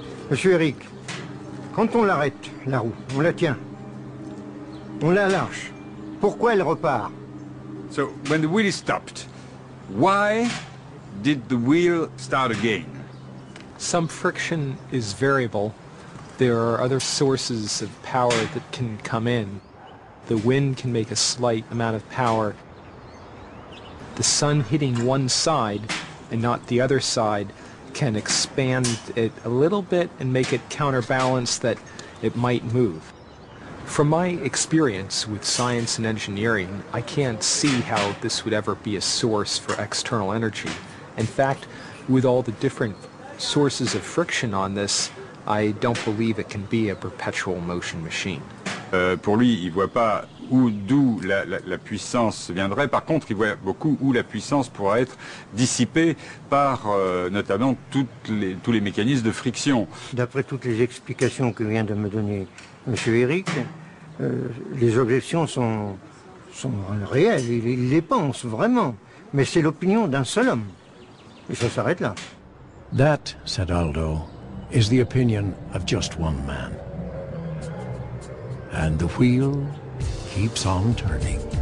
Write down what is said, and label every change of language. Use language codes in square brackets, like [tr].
[fr] Monsieur Eric, quand on l'arrête, la roue, on la tient. On la lâche. Pourquoi elle repart? [en] So, when the wheel is stopped, why did the wheel start again? Some friction is variable. There are other sources of power that can come in. The wind can make a slight amount of power. The sun hitting one side and not the other side can expand it a little bit and make it counterbalance that it might move. From my experience with science and engineering, I can't see how this would ever be a source for external energy. In fact, with all the different sources of friction on this, I don't believe it can be a perpetual motion machine. [fr] Pour lui, il voit pas où, d'où la puissance viendrait. Par contre, il voit beaucoup où la puissance pourrait être dissipée par notamment tous les mécanismes de friction. D'après toutes les explications que vient de me donner M. Eric, les objections sont réelles, il les pense vraiment. Mais c'est l'opinion d'un seul homme. Et ça s'arrête là. [en] That, said Aldo, is the opinion of just one man. And the wheel keeps on turning.